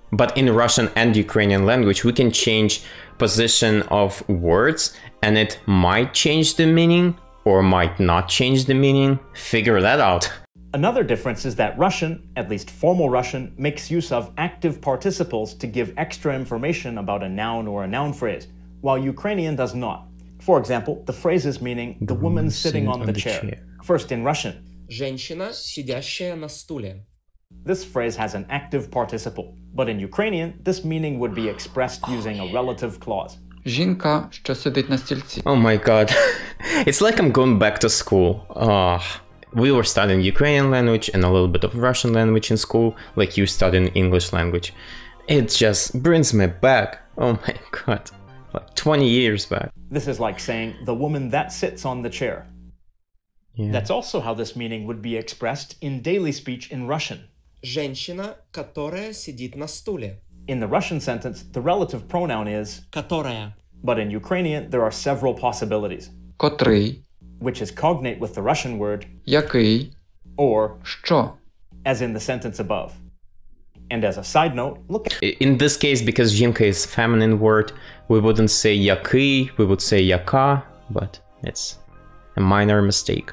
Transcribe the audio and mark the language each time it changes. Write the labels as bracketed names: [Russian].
[English] But in Russian and Ukrainian language, we can change position of words, and it might change the meaning, or might not change the meaning. Figure that out. Another difference is that Russian, at least formal Russian, makes use of active participles to give extra information about a noun or a noun phrase, while Ukrainian does not. For example, the phrases meaning the woman sitting on the chair. First in Russian. [Russian] Женщина, сидящая на стуле. [English] This phrase has an active participle, but in Ukrainian, this meaning would be expressed using a relative clause. [Ukrainian] Жінка, що сидить на стільці. [English] Oh my god. It's like I'm going back to school. We were studying Ukrainian language and a little bit of Russian language in school, like you studying English language. It just brings me back. Oh my god. Like 20 years back. This is like saying, the woman that sits on the chair. Yeah. That's also how this meaning would be expressed in daily speech in Russian. [Russian] Женщина, которая сидит на стуле. [English] In the Russian sentence, the relative pronoun is [Russian] которая. [English] But in Ukrainian, there are several possibilities. [Ukrainian] Котрий. [English] Which is cognate with the Russian word [Ukrainian] який [English] or [Ukrainian] що, [English] as in the sentence above. And as a side note, look at... In this case, because жінка is a feminine word, we wouldn't say який, we would say яка, but it's a minor mistake.